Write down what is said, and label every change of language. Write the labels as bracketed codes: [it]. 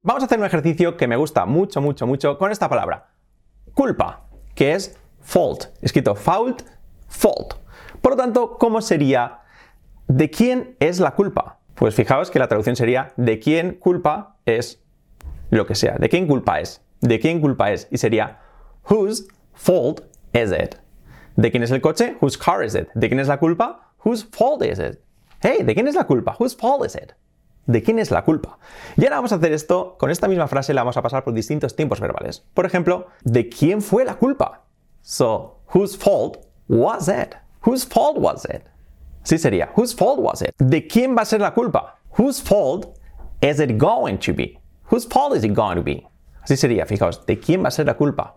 [es] Vamos a hacer un ejercicio que me gusta mucho, mucho, mucho con esta palabra. Culpa, que es fault, escrito fault, fault. Por lo tanto, ¿cómo sería? ¿De quién es la culpa? Pues fijaos que la traducción sería ¿de quién culpa es lo que sea? ¿De quién culpa es? ¿De quién culpa es? Y sería [en] whose fault is it? [es] ¿De quién es el coche? [en] Whose car is it? [es] ¿De quién es la culpa? [en] Whose fault is it? [es] Hey, ¿de quién es la culpa? Whose fault is it? ¿De quién es la culpa? Y ahora vamos a hacer esto, con esta misma frase la vamos a pasar por distintos tiempos verbales. Por ejemplo, ¿de quién fue la culpa? [en] So, whose fault was it? Whose fault was it? [es] Sí sería, [en] whose fault was it? [es] ¿De quién va a ser la culpa? [en] Whose fault is it going to be? Whose fault is it going to be? [es] Así sería, fijaos, ¿de quién va a ser la culpa?